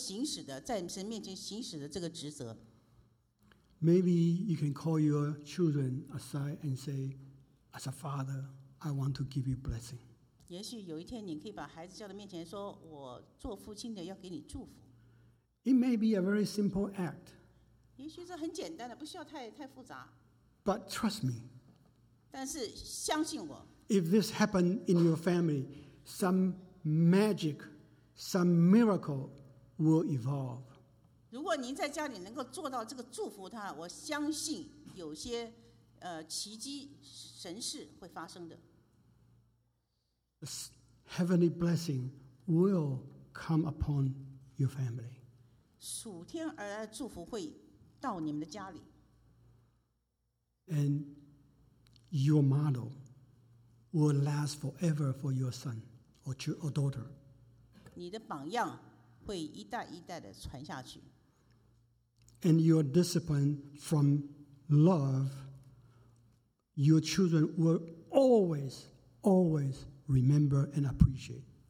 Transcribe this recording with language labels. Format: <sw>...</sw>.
<zh>所以我们真是劝勉各位做父亲的好好在神面前祷告然后呢好好的行使只有唯一你能够行使的在神面前行使的这个职责。</zh> <en>Maybe you can call your children aside and say, as a father, I want to give you blessing.</en> <zh>也许有一天你可以把孩子叫到面前说,我做父亲的要给你祝福。</zh> <en>It may be a very simple act.</en> <zh>也许是很简单的,不需要太复杂。</zh> <en>But trust me.</en> <zh>但是相信我。</zh> <en>If this happened in your family, some magic, some miracle will evolve.</en> <zh>如果您在家里能够做到这个祝福他, 我相信有些, 奇迹神事会发生的。</zh> <en>This heavenly blessing will come upon your family.</en> <zh>属天而来的祝福会到你们的家里。</zh> <en>And your model will last forever for your son or daughter.</en> <zh>你的榜样会一代一代的传下去。</zh> <en>And your discipline from love, your children will always, always remember and appreciate.</en>